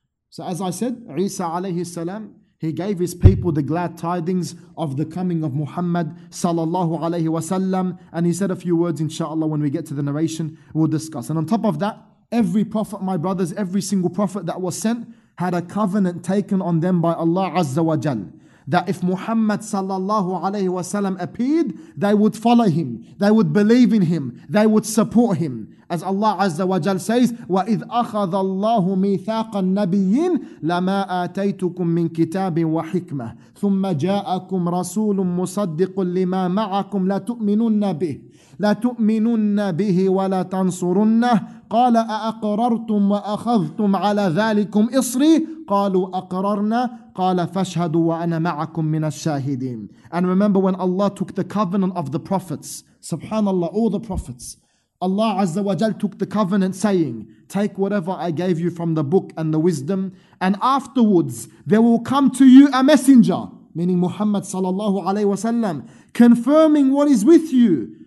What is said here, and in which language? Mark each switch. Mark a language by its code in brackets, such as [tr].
[en] So as I said, Isa alayhi salam, he gave his people the glad tidings of the coming of Muhammad sallallahu alayhi wasallam, and he said a few words, inshallah, when we get to the narration, we'll discuss. And on top of that, every prophet, my brothers, every single prophet that was sent had a covenant taken on them by Allah azza wa jal, that if Muhammad sallallahu alayhi wa sallam appeared, they would follow him, they would believe in him, they would support him. As Allah Azza wa Jal says, [ar] وَإِذْ أَخَذَ اللَّهُ مِيثَاقَ النَّبِيِّينَ لَمَا آتَيْتُكُم مِّن كِتَابٍ وَحِكْمَةٍ ثُمَّ جَاءَكُمْ رَسُولٌ مُصَدِّقٌ لِمَا مَعَكُمْ لَتُؤْمِنُنَّ بِهِ وَلَا تَنْصُرُنَّهُ قال أأقررتم وأخذتم على ذلكم إصري قالوا أقررنا قال فاشهدوا وأنا معكم من الشاهدين. [en] And remember when Allah took the covenant of the prophets, subhanallah, all the prophets, Allah Azza wa Jal took the covenant saying, take whatever I gave you from the book and the wisdom, and afterwards there will come to you a messenger, meaning Muhammad sallallahu alayhi wa sallam, confirming what is with you.